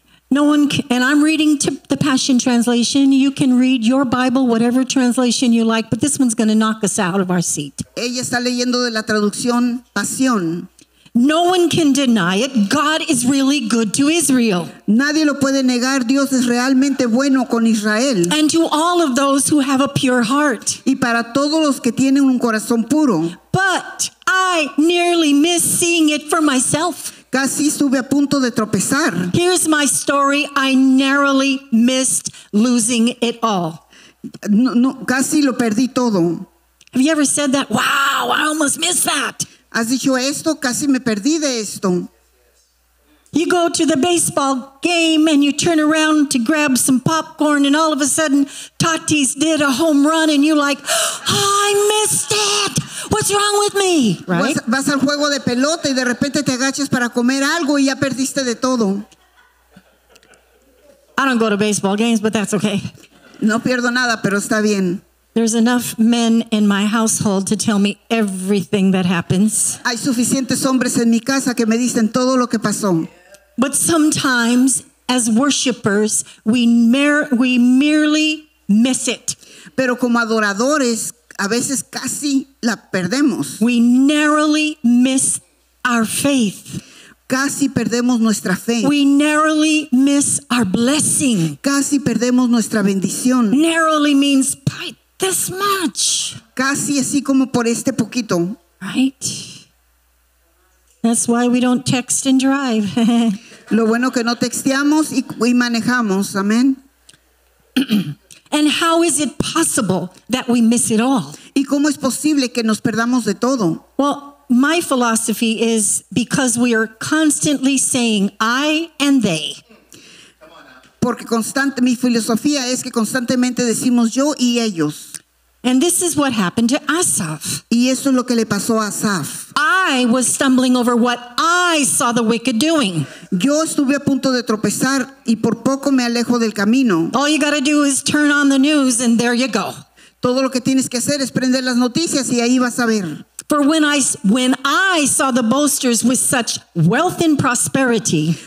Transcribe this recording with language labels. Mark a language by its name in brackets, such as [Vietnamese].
[English] No one can, and I'm reading to the Passion Translation. You can read your Bible, whatever translation you like, but this one's going to knock us out of our seat. [Spanish] Ella está leyendo de la traducción Pasión. [English] No one can deny it. God is really good to Israel. [Spanish] Nadie lo puede negar. Dios es realmente bueno con Israel. [English] And to all of those who have a pure heart. [Spanish] Y para todos los que tienen un corazón puro. [English] But I nearly miss seeing it for myself. [Spanish] Casi estuve a punto de tropezar. [English] Here's my story. I narrowly missed losing it all. [Spanish] No, casi lo perdí todo. [English] Have you ever said that? Wow, I almost missed that. [Spanish] Has dicho esto, casi me perdí de esto. [English] You go to the baseball game and you turn around to grab some popcorn and all of a sudden Tatis did a home run and you're like, oh, I missed it. What's wrong with me? Right? [Spanish] Vas al juego de pelota y de repente te agachas para comer algo y ya perdiste de todo. [English] I don't go to baseball games, but that's okay. [Spanish] No pierdo nada, pero está bien. [English] There's enough men in my household to tell me everything that happens. [Spanish] Hay suficientes hombres en mi casa que me dicen todo lo que pasó. [English] But sometimes, as worshipers, we merely miss it. [Spanish] Pero como adoradores, a veces casi la perdemos. [English] We narrowly miss our faith. [Spanish] Casi perdemos nuestra fe. [English] We narrowly miss our blessing. [Spanish] Casi perdemos nuestra bendición. [English] Narrowly means pipe. This much. [Spanish] Casi así como por este poquito. [English] Right? That's why we don't text and drive. [Spanish] Lo bueno que no texteamos y manejamos. Amen. [English] And how is it possible that we miss it all? [Spanish] ¿Y cómo es posible que nos perdamos de todo? [English] Well, my philosophy is because we are constantly saying I and they. [Spanish] Porque mi filosofía es que constantemente decimos yo y ellos. [English] And this is what happened to Asaph. [Spanish] Y eso es lo que le pasó a Asaph. [English] I was stumbling over what I saw the wicked doing. [Spanish] Yo estuve a punto de tropezar y por poco me alejo del camino. [English] All you gotta do is turn on the news and there you go. [Spanish] Todo lo que tienes que hacer es prender las noticias y ahí vas a ver. [English] For when I saw the boasters with such wealth and prosperity,